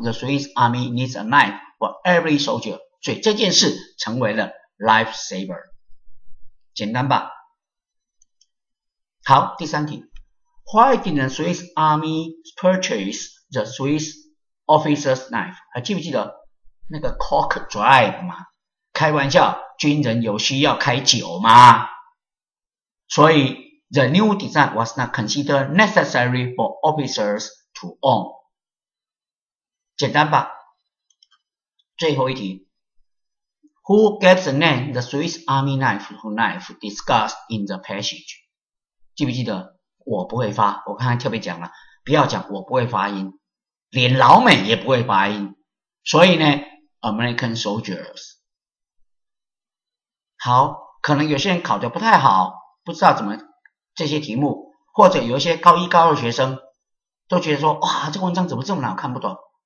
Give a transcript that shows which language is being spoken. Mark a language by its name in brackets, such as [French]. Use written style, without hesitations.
[English] The Swiss Army needs a knife for every soldier. [Chinese] 所以这件事成为了 lifesaver。简单吧？好，第三题。 [English] Why didn't the Swiss Army purchase the Swiss officer's knife? [Chinese] 还记不记得那个 cork drive 吗？开玩笑，军人有需要开酒吗？所以 [English] the new design was not considered necessary for officers to own. [Chinese] 简单吧？最后一题 [English] ，Who gave the name the Swiss Army knife to knife discussed in the passage? [Chinese] 记不记得？我不会发，我刚才特别讲了，不要讲我不会发音，连老美也不会发音。所以呢 [English] ，American soldiers。 [Chinese] 好，可能有些人考得不太好，不知道怎么这些题目，或者有一些高一高二学生都觉得说，哇，这个文章怎么这么难看不懂？